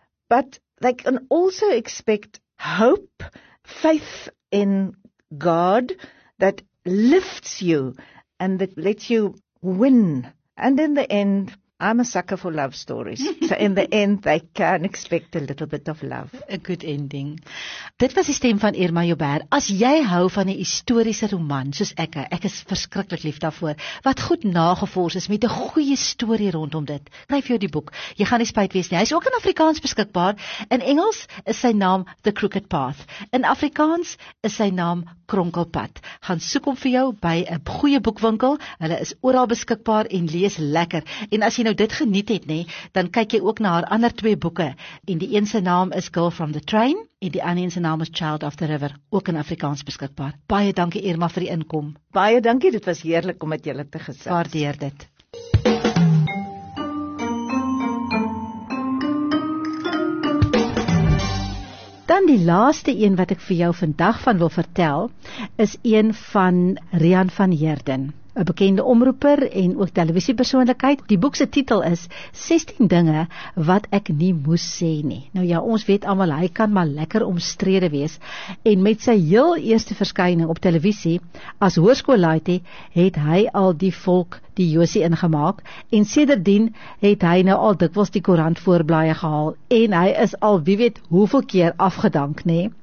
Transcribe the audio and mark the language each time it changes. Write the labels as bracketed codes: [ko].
[en] But they can also expect hope, faith in God that lifts you and that lets you win. And in the end, I'm a sucker for love stories. So in the end, they can expect a little bit of love. A good ending. [af] Dit was die stem van Irma Joubert. As jy hou van 'n historiese roman, soos ek is verskriklik lief daarvoor, wat goed nagevors is met 'n goeie storie rondom dit, skryf jou die boek. Jy gaan nie spyt wees nie. Hy is ook in Afrikaans beskikbaar. In Engels is sy naam The Crooked Path. In Afrikaans is sy naam Kronkelpad. Gaan soek hom vir jou by 'n goeie boekwinkel. Hulle is oral beskikbaar en lees lekker. En as jy nou dit geniet het, nee, dan kyk jy ook na haar ander twee boeke. En die een se naam is Girl from the Train en die ander se naam is Child of the River, ook in Afrikaans beskikbaar. Baie dankie Irma vir die inkom. Baie dankie, dit was heerlik om met julle te gesels. Waardeer dit. Dan die laaste een wat ek vir jou vandag van wil vertel, is een van Rian van Heerden. 'N bekende omroeper en ook televisiepersoonlikheid. Die boek se titel is 16 dinge wat ek nie moes sê nie. Nou ja, ons weet almal hy kan maar lekker omstrede wees en met sy heel eerste verskyning op televisie as hoërskoolleiter het hy al die volk die Josie ingemaak en sedertdien het hy nou al dikwels die koerant voorblaaie gehaal en hy is al wie weet hoeveel keer afgedank nie.